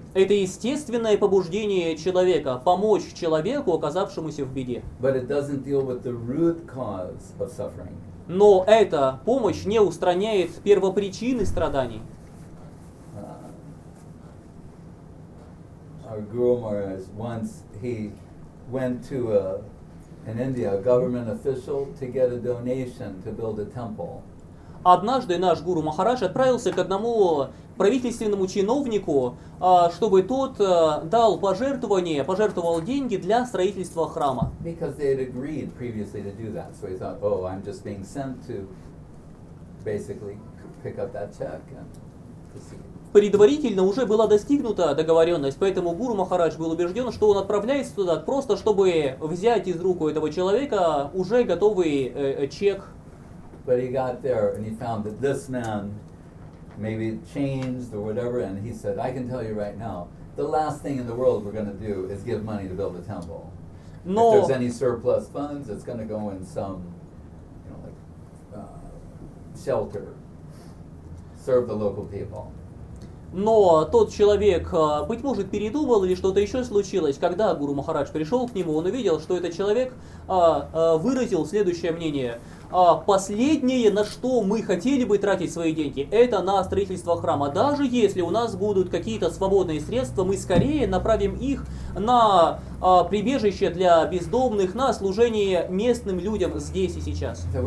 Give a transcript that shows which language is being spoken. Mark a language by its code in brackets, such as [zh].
[ru] Это естественное побуждение человека – помочь человеку, оказавшемуся в беде. [en] But it doesn't deal with the root cause of suffering. [ru] Но эта помощь не устраняет первопричины страданий. [en] Our Guru Maharaj, once he went to in India, a government official to get a donation to build a temple. [ru] Однажды наш Гуру Махарадж отправился к одному правительственному чиновнику, чтобы тот дал пожертвование, пожертвовал деньги для строительства храма. [en] Because they had agreed previously to do that, so he thought, oh, I'm just being sent to basically pick up that check and to see. [ru] Предварительно уже была достигнута договоренность, поэтому Гуру Махарадж был убежден, что он отправляется туда просто, чтобы взять из рук у этого человека уже готовый чек. [en] But he got there and he found that this man maybe changed or whatever, and he said, I can tell you right now, the last thing in the world we're going to do is give money to build a temple. [ru] Но [en] if there's any surplus funds, it's going to go in some, you know, like shelter, serve the local people. [ru] Но тот человек, быть может, передумал или что-то еще случилось. Когда Гуру Махарадж пришел к нему, он увидел, что этот человек выразил следующее мнение. Последнее, на что мы хотели бы тратить свои деньги, это на строительство храма. Даже если у нас будут какие-то свободные средства, мы скорее направим их на прибежище для бездомных, на служение местным людям здесь и сейчас.